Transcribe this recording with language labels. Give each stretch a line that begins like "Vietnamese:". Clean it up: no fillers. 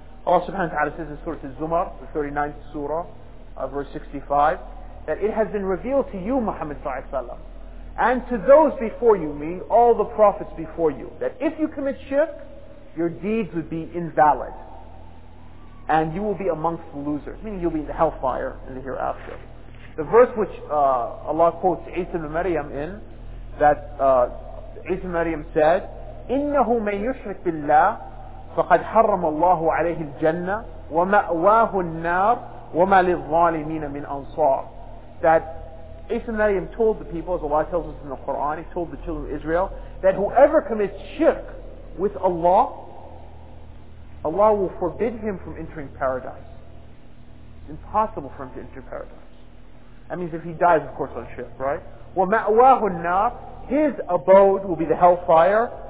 English: Allah subhanahu wa ta'ala says in Surah Az-Zumar, the 39th surah, verse 65, that it has been revealed to you, Muhammad sallallahu alayhi wa sallam, and to those before you, meaning all the prophets before you, that if you commit shirk, your deeds would be invalid, and you will be amongst the losers, meaning you'll be in the hellfire in the hereafter. The verse which Allah quotes Isa ibn Maryam in, that Isa ibn Maryam said,
Arabic: إِنَّهُ مَنْ يُشْرِكْ بِاللَّهِ فَقَدْ حَرَّمَ اللَّهُ عَلَيْهِ الْجَنَّةِ وَمَأْوَاهُ النَّارِ وَمَا لِلظَّالِمِينَ مِنْ أَنصَارِ.
English: That Isa ibn Maryam told the people, as Allah tells us in the Quran, he told the children of Israel, that whoever commits shirk with Allah, Allah will forbid him from entering paradise. It's impossible for him to enter paradise. That means if he dies, of course, on ship, right?
Arabic: وَمَأْوَاهُ النَّارِ,
English: his abode will be the hellfire,